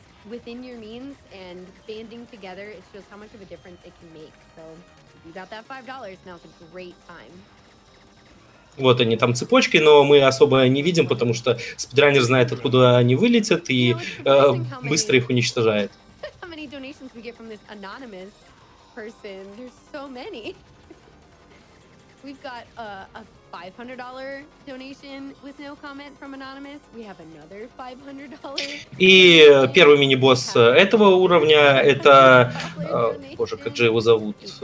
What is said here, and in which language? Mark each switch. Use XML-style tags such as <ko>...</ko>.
<en>Within your means and banding together, it shows how much of a difference it can make. So if you got that $5, now's a great time.</en> <ru>Вот они там цепочкой, но мы особо не видим, потому что спидранер знает, откуда они вылетят и быстро их уничтожает.</ru> <en>How many donations we get from this anonymous person? There's so many. We've got a $500 donation with no comment from anonymous. We have another $500.</en> <ru>И первый мини-босс этого уровня это боже, как же его зовут?</ru>